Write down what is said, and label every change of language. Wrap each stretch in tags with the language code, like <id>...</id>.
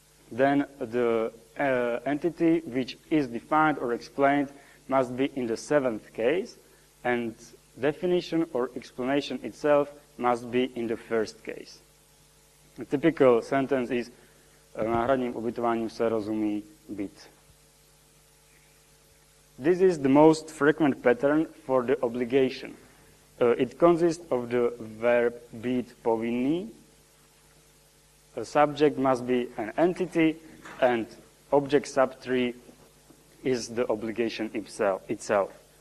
<en>Then the entity which is defined or explained must be in the 7th case, and definition or explanation itself must be in the 1st case. A typical sentence is</en> <cs>náhradním ubytováním se rozumí byt.</cs> <en>This is the most frequent pattern for the obligation. It consists of the verb být povinný. A subject must be an entity, and object subtree is the obligation itself.</en>